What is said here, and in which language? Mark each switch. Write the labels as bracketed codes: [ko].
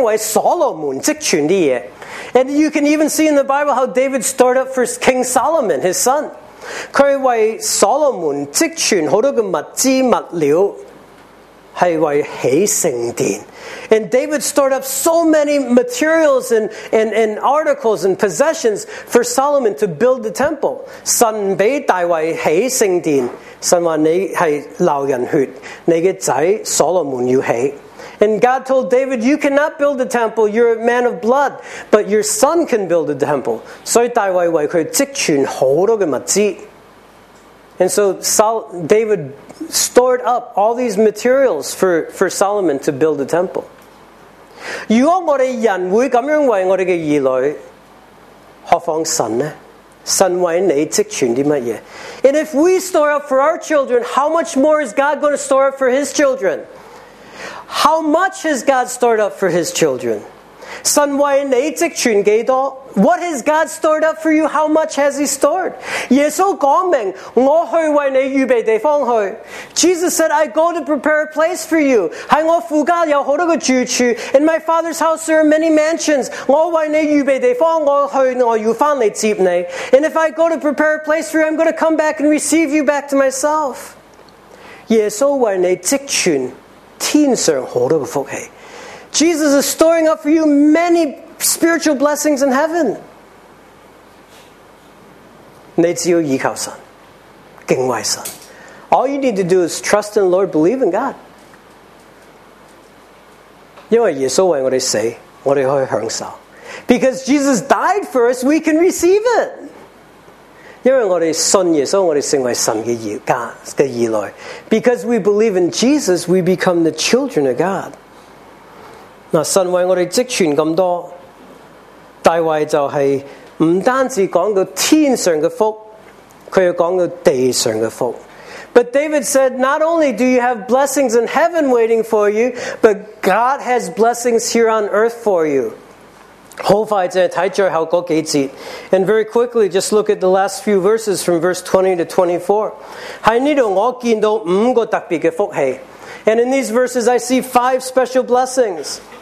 [zh] 我们特别看到大卫怎样为所罗门积存的东西。 [en] And you can even see in the Bible how David stored up for King Solomon, his son. [zh] 他为所罗门积存很多的物资物料是为起圣殿。 [en] And David stored up so many materials and articles and possessions for Solomon to build the temple. [zh] 神给大卫起圣殿, 神说你是流人血,你的儿子所罗门要起。 [en] And God told David, you cannot build a temple, you're a man of blood, but your son can build a temple. [zh] 所以大卫为他积存很多的物资。 And so David stored up all these materials for Solomon to build a temple. 如果我们人会这样为我们的儿女, 何况神呢? 神为你积存的什么? [en] And if we store up for our children, how much more is God going to store up for his children? How much has God stored up for his children? [zh] 神为你积存多少? [en] What has God stored up for you? How much has he stored? [zh] 耶稣说明, 我去为你预备地方去。 [en] Jesus said, I go to prepare a place for you. [zh] 在我父家有很多的住处, [en] in my father's house there are many mansions. [zh] 我为你预备地方, 我去, 我要回来接你。 [en] And if I go to prepare a place for you, I'm going to come back and receive you back to myself. [zh] 耶稣为你积存 天上好多的福气。 [en] Jesus is storing up for you many spiritual blessings in heaven. [zh] 你只要依靠神，敬畏神。 [en] All you need to do is trust in the Lord, believe in God. [zh] 因为耶稣为我们死，我们可以享受。 [en] Because Jesus died for us, we can receive it. [zh] 因为我们信耶稣,我们成为神的儿女。 [en] Because we believe in Jesus, we become the children of God. [zh] 神为我们积存这么多, 大卫就是不单只讲到天上的福, 他又讲到地上的福。 [en] But David said, not only do you have blessings in heaven waiting for you, but God has blessings here on earth for you. [zh] 很快,只是看最后那几节, [en] and very quickly, just look at the last few verses from verse 20 to 24. [zh] 在这里我看到五个特别的福气, [en] and in these verses, I see five special blessings.